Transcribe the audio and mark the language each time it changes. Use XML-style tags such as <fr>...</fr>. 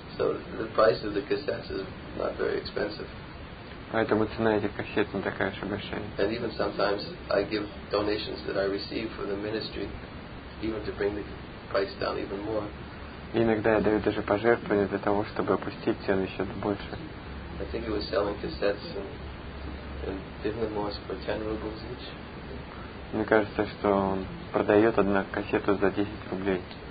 <en>So the price of the cassettes is not very expensive.</en> <ru>Поэтому цена этих кассет не такая уж и большая.</ru> <en>And even sometimes I give donations that I receive for the ministry, even to bring the price down even more.</en> <ru>Иногда я даю даже пожертвования для того, чтобы опустить цену еще больше.</ru> <en>I think he was selling cassettes and giving them more for 10 rubles each.</en> <ru>Мне кажется, что он продает одну кассету за 10 рублей.</ru>